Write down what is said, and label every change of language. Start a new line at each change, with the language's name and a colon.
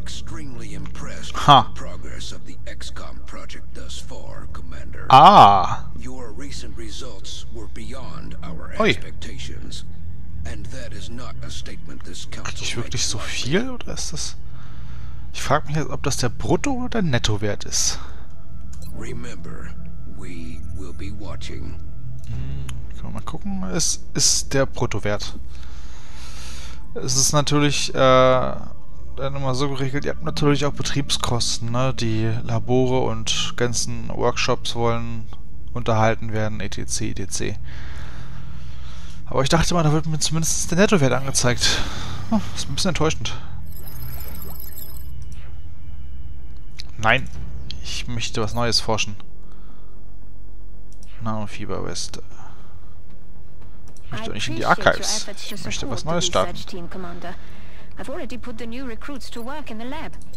English: extremely impressed with the progress of the XCOM project thus far, Commander. Ah. Your recent results were beyond our expectations. And that is not a statement this council makes.
German: Wirklich so viel, oder ist das... Ich frage mich jetzt, ob das der Brutto- oder der Nettowert ist.
English: Remember, we will be watching.
German: Können wir mal gucken. Es ist der Brutto-Wert. Es ist natürlich, dann immer so geregelt, ihr habt natürlich auch Betriebskosten, ne? Die Labore und ganzen Workshops wollen unterhalten werden, etc., etc. Aber ich dachte mal, da wird mir zumindest der Nettowert angezeigt. Oh, ist ein bisschen enttäuschend. Nein, ich möchte was Neues forschen. Nanofieber West. Ich möchte auch nicht in die Archives. Ich möchte was Neues starten.
English: I've already put the new recruits to work in the lab.